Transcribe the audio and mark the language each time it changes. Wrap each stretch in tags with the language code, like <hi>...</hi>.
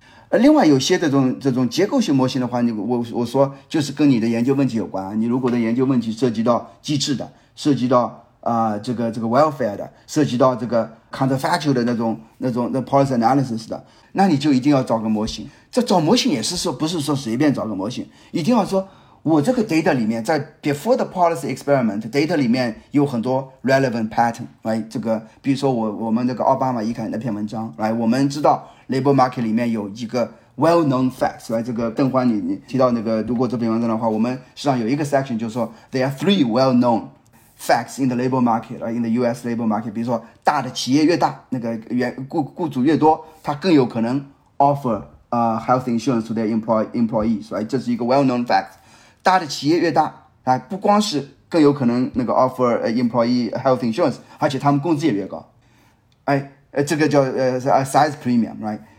<zh>而另外有些这种结构性模型的话，我说就是跟你的研究问题有关。你如果的研究问题涉及到机制的，涉及到这个 welfare 的，涉及到这个 counterfactual 的那种 the policy analysis 的，那你就一定要找个模型。这找模型也是说不是说随便找个模型，一定要说。我这个 data 里面在</zh> <en>before the policy experiment data</en> <zh>里面有很多 relevant pattern、right? 这个比如说我们这个奥巴马一看那篇文章、right? 我们知道 labor market 里面有一个 well known facts、right? 这个邓欢你提到那个读过这篇文章的话，我们实际上有一个 section 就是说</zh> <en>there are three well known facts in the labor market、</en> <zh>right?</zh> <en>in the US labor market</en> <zh>比如说大的企业越大那个雇主越多他更有可能</zh> <en>offer health insurance to their employees、</en> <zh>right? 这是一个 well known fact大的企业越大、啊、不光是更有可能那个</zh> <en>offer employee health insurance</en> <zh>而且他们工资也越高、哎、这个叫、size premium、right?</zh>